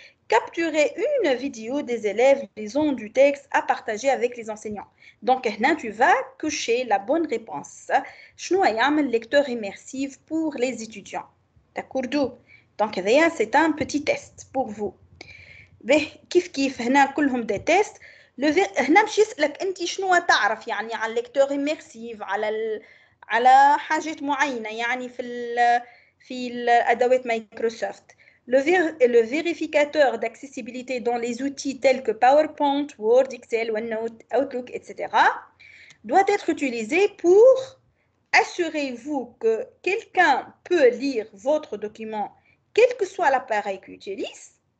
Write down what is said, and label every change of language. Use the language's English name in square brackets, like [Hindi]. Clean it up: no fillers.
[French] Capturer une vidéo des élèves lisant du texte à partager avec les enseignants. Donc, là, tu vas cocher la bonne réponse. [Arabic] شنو يعمل [French] lecteur immersif pour les étudiants. D'accord. Donc, là, c'est un petit test pour vous. [Arabic] Beh, كيف كيف هنا كلهم [French] des tests. [Arabic] Le هنا باش يسألك انت شنو تعرف يعني على lecteur immersif على على حاجة معينة يعني في الأدوات مايكروسوفت. [French] Le vérificateur d'accessibilité dans les outils tels que PowerPoint, Word, Excel, OneNote, Outlook, etc. doit être utilisé pour assurez-vous que quelqu'un peut lire votre document, quel que soit l'appareil qu'il utilise.